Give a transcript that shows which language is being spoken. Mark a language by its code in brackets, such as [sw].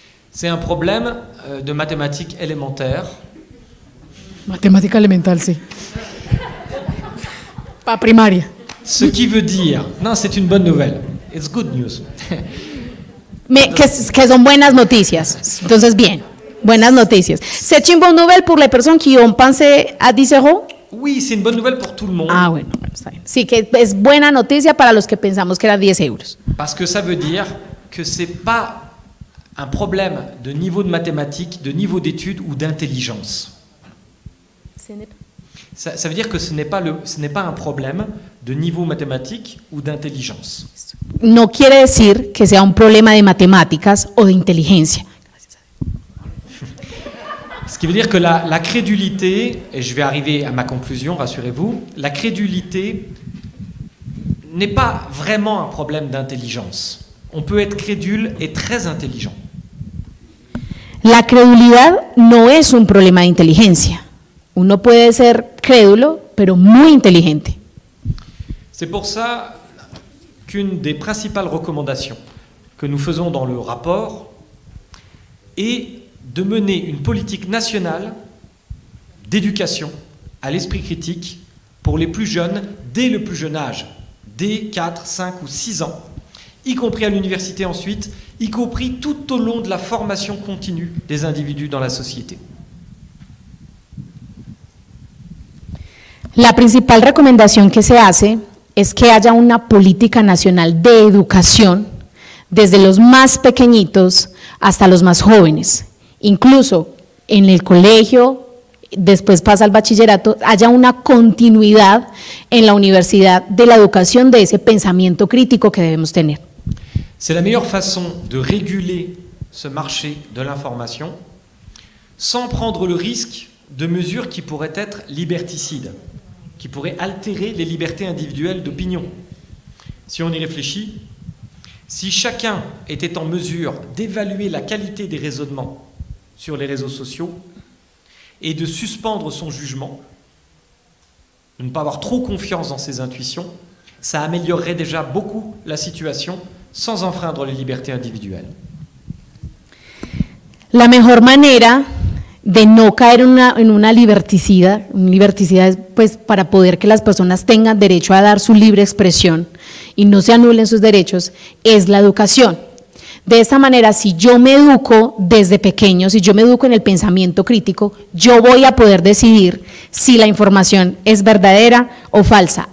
[fr] C'est un problème de mathématiques élémentaires. Mathématiques élémentaires, sí. Pas primaria. Ce qui veut dire... Non, c'est une bonne nouvelle. [en] It's good news. [es] Mais que son buenas noticias. Entonces, bien. Buenas noticias. [fr] C'est une bonne nouvelle pour les personnes qui ont pensé à 10 euros? Oui, c'est une bonne nouvelle pour tout le monde. [es] Ah, bueno. Sí, que es buena noticia para los que pensamos que era 10 euros. [fr] Parce que ça veut dire que c'est pas... un problème de niveau de mathématiques, de niveau d'études ou d'intelligence. Ça veut dire que ce n'est pas un problème de niveau mathématique ou d'intelligence. [es] No quiere decir que sea un problema de matemáticas o de inteligencia. [fr] Ce qui veut dire que la crédulité, et je vais arriver à ma conclusion, rassurez-vous, la crédulité n'est pas vraiment un problème d'intelligence. On peut être crédule et très intelligent. [es] La credulidad no es un problema de inteligencia. Uno puede ser crédulo, pero muy inteligente. [fr] C'est pour ça qu'une des principales recommandations que nous faisons dans le rapport est de mener une politique nationale d'éducation à l'esprit critique pour les plus jeunes dès le plus jeune âge, dès 4, 5 ou 6 ans, y compris à l'université ensuite, y compris tout au long de la formation continue des individus dans la société. [es] La principal recomendación que se hace es que haya una política nacional de educación desde los más pequeñitos hasta los más jóvenes. Incluso en el colegio, después pasa al bachillerato, haya una continuidad en la universidad de la educación de ese pensamiento crítico que debemos tener. [fr] C'est la meilleure façon de réguler ce marché de l'information sans prendre le risque de mesures qui pourraient être liberticides, qui pourraient altérer les libertés individuelles d'opinion. Si on y réfléchit, si chacun était en mesure d'évaluer la qualité des raisonnements sur les réseaux sociaux et de suspendre son jugement, de ne pas avoir trop confiance dans ses intuitions, ça améliorerait déjà beaucoup la situation sans enfreindre les libertés individuelles. [es] La mejor manera de no caer en una liberticida, un liberticida es pues para poder que las personas tengan derecho a dar su libre expresión y no se anulen sus derechos, es la educación. De esta manera, si yo me educo desde pequeño, si yo me educo en el pensamiento crítico, yo voy a poder decidir si la información es verdadera o falsa.